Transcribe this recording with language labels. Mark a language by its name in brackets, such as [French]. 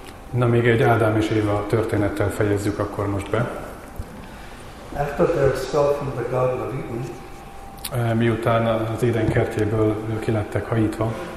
[Hungarian] Na, még egy Ádám és Éva történettel fejezzük akkor most be. [English] After they're expelled from the Garden of Eden, [Hungarian] miután az Éden kertjéből ki lettek hajítva,